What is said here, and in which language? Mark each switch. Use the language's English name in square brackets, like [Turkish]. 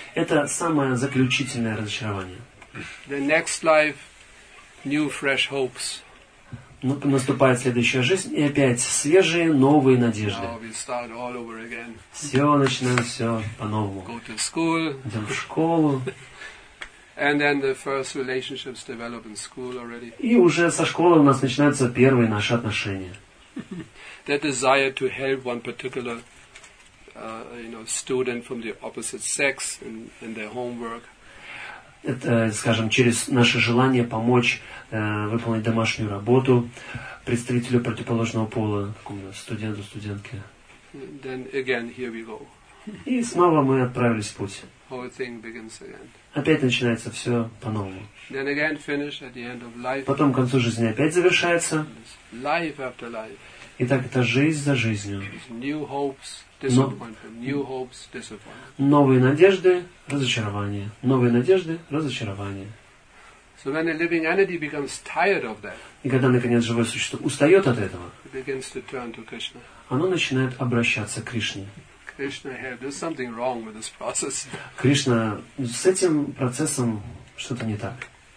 [Russian] Это самое заключительное разочарование. [English] The next life, new fresh hopes. [Russian] Ну, наступает следующая жизнь, и опять свежие, новые надежды. [English] Now we start all over again. [Russian] Все, начинаем все по-новому. [English] Go to school. [Russian] Идем в школу. [English] And then the first relationships develop in school already. [Russian] И уже со школы у нас начинаются первые наши отношения. [English] That desire to help one particular, student from the opposite sex in their homework. [Russian] Это, скажем, через наше желание помочь выполнить домашнюю работу представителю противоположного пола, какому-нибудь студенту, студентке. [English] Then again, here we go. [Russian] И снова мы отправились в путь. [English] Whole thing begins again. [Russian] Опять начинается все по-новому. [English] Then again finish at the end of life. [Russian] Потом к концу жизни опять завершается. [English] Life after life. [Russian] И так это жизнь за жизнью. [English] New hopes, disappointment. New hopes, disappointment. [Russian] Новые надежды, разочарование. Новые надежды, разочарование. [English] So when a living entity becomes tired of that. [Russian] И когда наконец живое существо устает от этого. [English] It begins to turn to Krishna. [Russian] Оно начинает обращаться к Кришне. [English] Krishna, there's something wrong with this process. [Russian] Кришна, с этим процессом что-то не так.